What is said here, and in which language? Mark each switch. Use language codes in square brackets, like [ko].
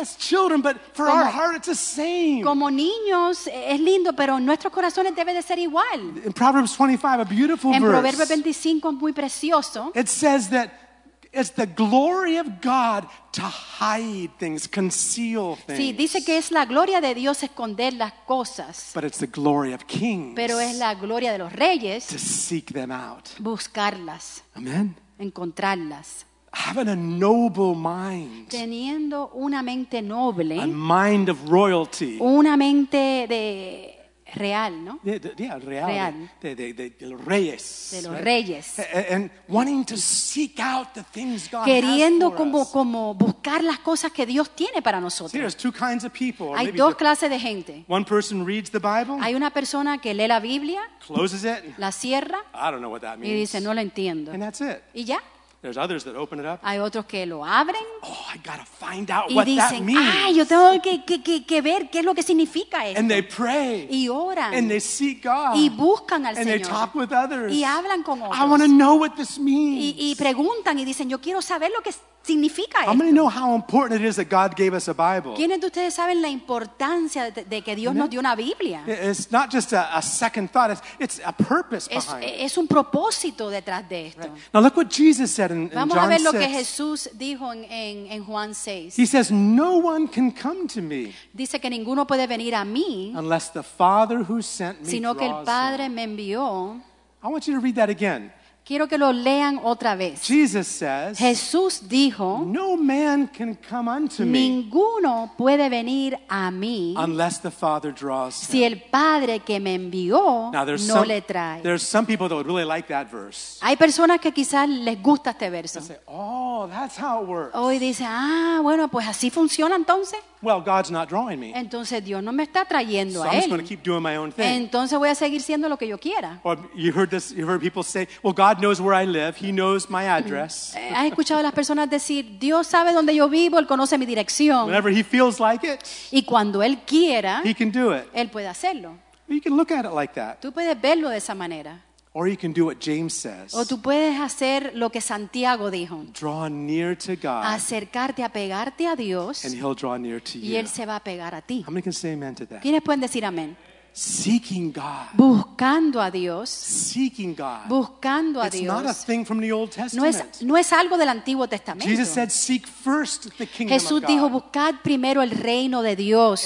[en] As children, but for como, our heart, it's the same. [es] Como niños, es lindo, pero nuestros corazones deben de ser igual. [en] In Proverbs 25, a beautiful [es] En Proverbios 25 es muy precioso. [en] It says that it's the glory of God to hide things, conceal things. [es] Sí, dice que es la gloria de Dios esconder las cosas. [en] But it's the glory of kings. [es] Pero es la gloria de los reyes. [en] To seek them out. [es] Buscarlas. [en] Amen. [es] Encontrarlas. [en] Having a noble mind. [es] Teniendo una mente noble. [en] A mind of royalty. [es] Una mente de real, ¿no? Yeah, real. De los reyes. De los right? reyes. [en] And wanting to seek out the things God [es] queriendo [en] has for [es] como, [en] us. [es] Queriendo como buscar las cosas que Dios tiene para nosotros. [en] See, there's two kinds of people. [es] Hay dos clases de gente. [en] One person reads the Bible. [es] Hay una persona que lee la Biblia. [en] Closes it. [es] La cierra. [en] I don't know what that means. [es] Y dice, no lo entiendo. [en] And that's it. [es] Y ya. [en] There's others that open it up. [es] Hay otros que lo abren. [en] Oh, I gotta find out [es] y [en] what [es] dicen, [en] that means. [es] Ay, yo tengo que ver qué es lo que significa esto. [en] And they pray. [es] Y oran. [en] And they seek God. [es] Y buscan al [en] and [es] Señor. [en] They talk with others. [es] Y hablan con otros. [en] I want to know what this means. [es] Y preguntan y dicen, yo quiero saber lo que significa [en] esto. How many know how important it is that God gave us a Bible? [es] ¿Quiénes de ustedes saben la importancia de que Dios nos dio una Biblia? [en] It's not just a second thought. It's a purpose behind. [es] Es un propósito detrás de esto. Right. [en] Now look what Jesus said. [es] Vamos a ver lo que Jesús dijo en Juan 6. [en] He says, "No one can come to me." [es] Dice que ninguno puede venir a mí. [en] Unless the Father who sent me. [es] Sino que el Padre me envió. [en] I want you to read that again. [es] Quiero que lo lean otra vez. [en] Jesus says, [es] Jesús dijo, [en] "No man can come unto me." [es] Ninguno puede venir a mí. [en] Unless the Father draws him. [es] Si el Padre que me envió no le trae. [en] There's some people that would really like that verse. [es] Hay personas que quizás les gusta este verso. [en] Say, "Oh, that's how it works. [es] Hoy dice, ah, bueno, pues así funciona entonces. [en] Well, God's not drawing me. [es] Entonces Dios no me está trayendo a él. [en] I'm just going to keep doing my own thing. [es] Entonces voy a seguir siendo lo que yo quiera. [en] Or you heard this? You heard people say, "Well, God knows where I live. He knows my address." [es] ¿Has escuchado a las personas decir, Dios sabe dónde yo vivo, él conoce mi dirección? [en] Whenever he feels like it. [es] Y cuando él quiera. [en] He can do it. [es] Él puede hacerlo. [en] You can look at it like that. [es] Tú puedes verlo de esa manera. [en] Or you can do what James says. [es] O tú puedes hacer lo que Santiago dijo. [en] Draw near to God. [es] Acercarte, apegarte a Dios. [en] And he'll draw near to you. [es] Y él se va a pegar a ti. [en] How many can say amen to that? [es] ¿Quiénes pueden decir amén? [en] Seeking God. [es] Buscando a Dios. [en] Seeking God. [es] Buscando a Dios. [en] It's not a thing from the Old Testament. [es] No es algo del Antiguo Testamento. [en] Jesus said, "Seek first the kingdom of God." [es] Jesús dijo, buscad primero el reino de Dios.